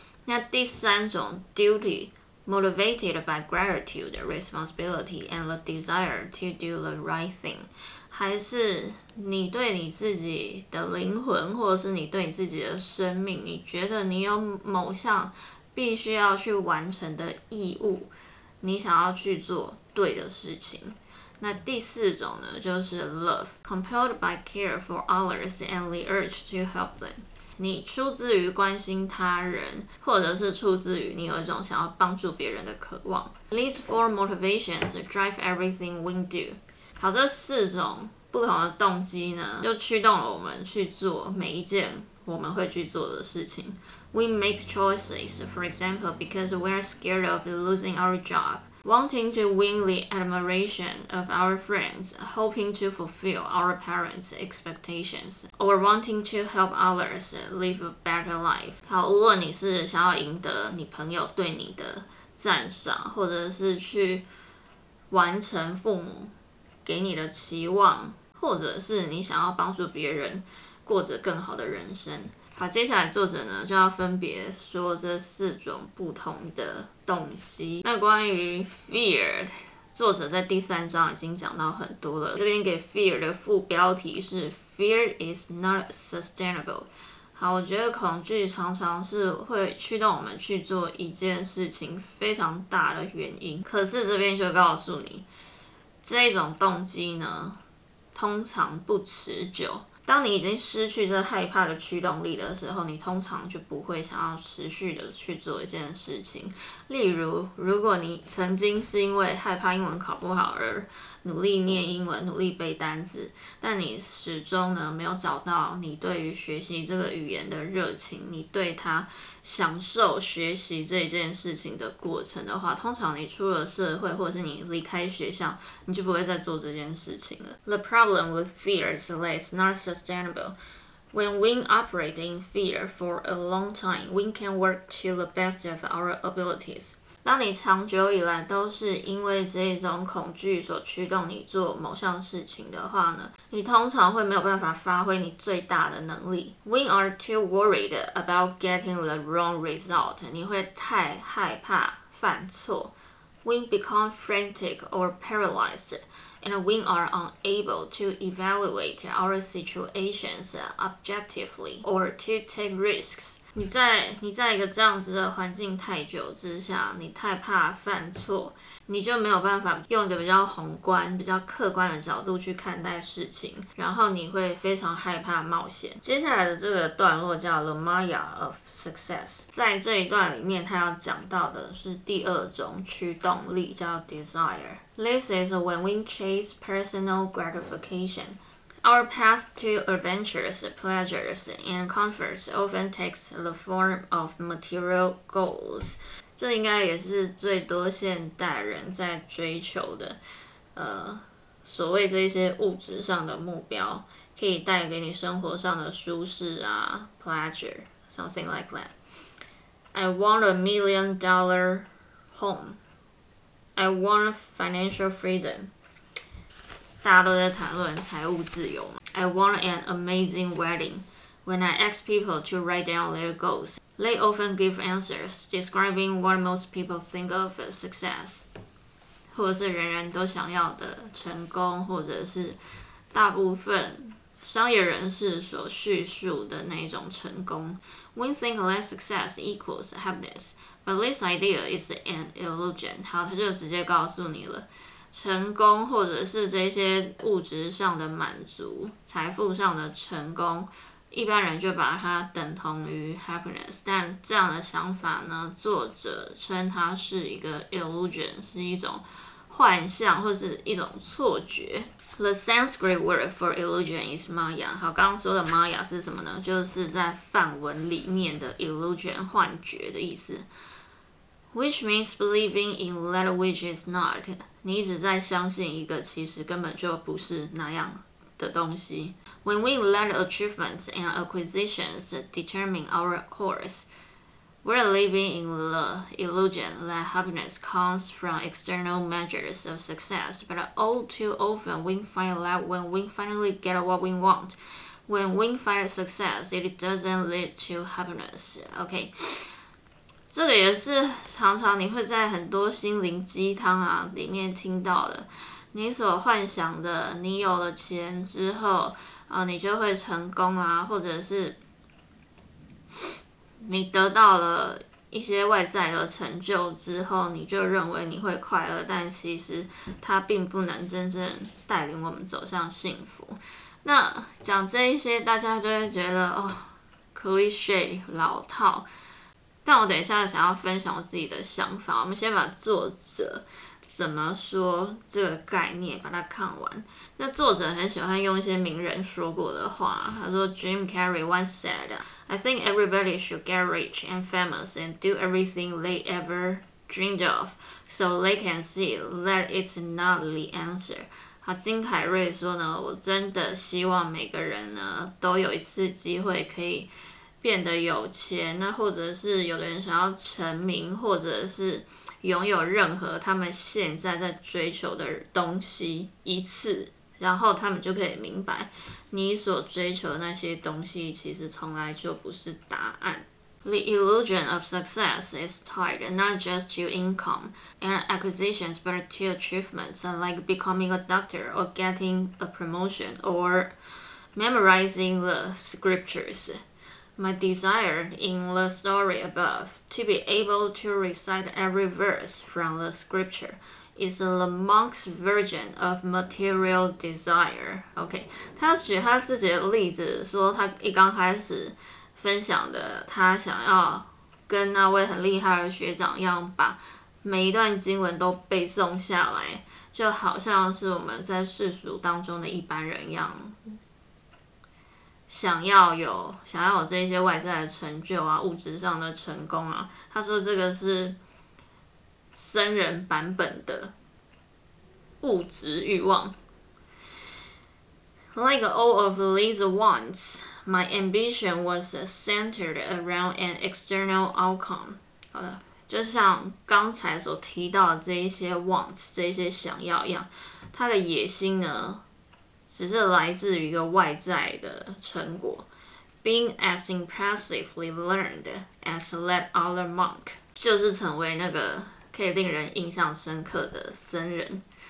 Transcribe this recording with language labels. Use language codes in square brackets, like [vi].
[zh] 那第三种 [en] duty motivated by gratitude, responsibility, and the desire to do the right thing, [zh] 还是你对你自己的灵魂，或者是你对你自己的生命，你觉得你有某项必须要去完成的义务，你想要去做对的事情。那第四种呢，就是 [en] love, compelled by care for others and the urge to help them. [zh] 你出自于关心他人，或者是出自于你有一种想要帮助别人的渴望。 [en] These four motivations drive everything we do. [zh] 好，这四种不同的动机呢，就驱动了我们去做每一件我们会去做的事情。 [en] We make choices, for example, because we're scared of losing our job, wanting to win the admiration of our friends, hoping to fulfill our parents' expectations, or wanting to help others live a better life. [zh] 好，无论你是想要赢得你朋友对你的赞赏，或者是去完成父母给你的期望，或者是你想要帮助别人过着更好的人生。好，接下来作者呢就要分别说这四种不同的动机。那关于 fear， 作者在第三章已经讲到很多了。这边给 fear 的副标题是 [en] fear is not sustainable。 [zh] 好，我觉得恐惧常常是会驱动我们去做一件事情非常大的原因。可是这边就告诉你，这种动机呢，通常不持久。当你已经失去这害怕的驱动力的时候，你通常就不会想要持续的去做一件事情。例如，如果你曾经是因为害怕英文考不好而努力念英文，努力背单字，但你始终呢没有找到你对于学习这个语言的热情，你对它享受学习这件事情的过程的话，通常你出了社会或是你离开学校，你就不会再做这件事情了。 [en] The problem with fear is that it's not sustainable. When we operate in fear for a long time, we can work to the best of our abilities. 当你长久以来都是因为这一种恐惧所驱动你做某项事情的话呢，你通常会没有办法发挥你最大的能力。 We are too worried about getting the wrong result. 你会太害怕犯错。 We become frantic or paralyzed, and we are unable to evaluate our situations objectively or to take risks. [zh] 你在一个这样子的环境太久之下，你太怕犯错，你就没有办法用一个比较宏观、比较客观的角度去看待事情，然后你会非常害怕冒险。接下来的这个段落叫 [en] The Maya of Success， [zh] 在这一段里面，他要讲到的是第二种驱动力，叫 Desire。 [en] This is when we chase personal gratification. Our path to adventures, pleasures, and comforts often takes the form of material goals. [zh] 这应该也是最多现代人在追求的，所谓这些物质上的目标，可以带给你生活上的舒适啊 ， [en] pleasure, something like that. I want $1 million home. I want financial freedom. [zh] 大家都在谈论财务自由嘛。 [en] I want an amazing wedding. When I ask people to write down their goals, they often give answers describing what most people think of success. [zh] 或者是人人都想要的成功，或者是大部分商业人士所叙述的那种成功。 [en] We think that success equals happiness, but this idea is an illusion. [zh] 好，他就直接告诉你了。成功或者是这些物质上的满足，财富上的成功，一般人就把它等同于 happiness， 但这样的想法呢，作者称它是一个 illusion， 是一种幻象或是一种错觉。 [en] The Sanskrit word for illusion is maya。 [zh] 好，刚刚说的 maya 是什么呢？就是在梵文里面的 illusion， 幻觉的意思。 [en] Which means believing in that which is not. [zh] 你一直在相信一个其实根本就不是那样的东西。 [en] When we let achievements and acquisitions determine our course, We're living in the illusion that happiness comes from external measures of success, but all too often we find that when we finally get what we want, when we find success, it doesn't lead to happiness. Okay. [zh] 这个也是常常你会在很多心灵鸡汤啊里面听到的。你所幻想的你有了钱之后啊你就会成功啊，或者是你得到了一些外在的成就之后你就认为你会快乐，但其实它并不能真正带领我们走向幸福。那讲这一些大家就会觉得哦 cliché 老套，但我等一下想要分享我自己的想法。我们先把作者怎么说这个概念把它看完。那作者很喜欢用一些名人说过的话，他说 [en] Jim Carrey once said, I think everybody should get rich and famous and do everything they ever dreamed of so they can see that it's not the answer. [zh] 好，金凯瑞说呢，我真的希望每个人呢都有一次机会可以变得有钱，那或者是有的人想要成名，或者是拥有任何他们现在在追求的东西一次，然后他们就可以明白你所追求的那些东西其实从来就不是答案。 [en] The illusion of success is tied not just to income and acquisitions but to achievements like becoming a doctor or getting a promotion or memorizing the scriptures. My desire in the story above to be able to recite every verse from the scripture is the monk's version of material desire. [zh] OK, 他举他自己的例子，说他一刚开始分享的，他想要跟那位很厉害的学长一样，把每一段经文都背诵下来，就好像是我们在世俗当中的一般人一样，想要有这些外在的成就啊，物质上的成功啊。他说这个是僧人版本的物质欲望。 [en] Like all of these wants, my ambition was centered around an external outcome. [zh] 就像刚才所提到的这些 wants, 这些想要一样，他的野心呢只是来自于一个外在的成果。 [en] Being as impressively learned as that other monk, [zh] 就是成为那个可以令人印象深刻的僧人。